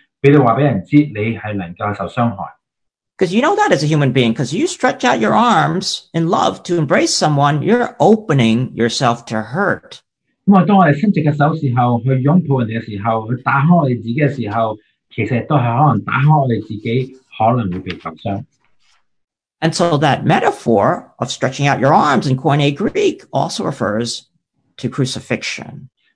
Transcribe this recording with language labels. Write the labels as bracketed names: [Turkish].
[Chinese] 但其实你知不知道,当我们伸直的手的时候,去想拥抱,去亲近别人的时候,其实就是去打开你自己,给你能够受伤害。 [English] Because you know that as a human being, because you stretch out your arms in love to embrace someone, you're opening yourself to hurt. [Chinese] 因为当我们伸直的手时候,去拥抱人的时候,去打开我们自己的时候,其实都是可能打开我们自己,可能会被受伤。 [English] And so that metaphor of stretching out your arms in Koine Greek also refers to crucifixion.